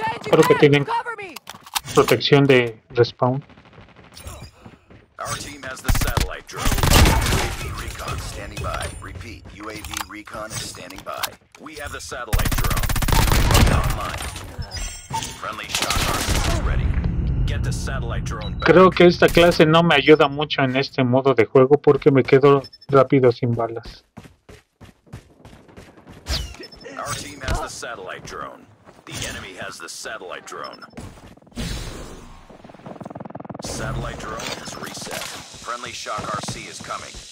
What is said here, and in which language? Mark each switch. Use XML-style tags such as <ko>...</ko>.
<es>Creo que tienen protección de respawn.</es> <en>Our team has the satellite drone. UAV recon standing by. Repeat, UAV recon is standing by. We have the satellite drone. Online. Friendly shot armor is ready. Get the satellite drone back.</en> <es>Creo que esta clase no me ayuda mucho en este modo de juego porque me quedo rápido sin balas.</es> <en>Our team has the satellite drone. The enemy has the satellite drone. Satellite drone has reset. Friendly Shock RC is coming.</en>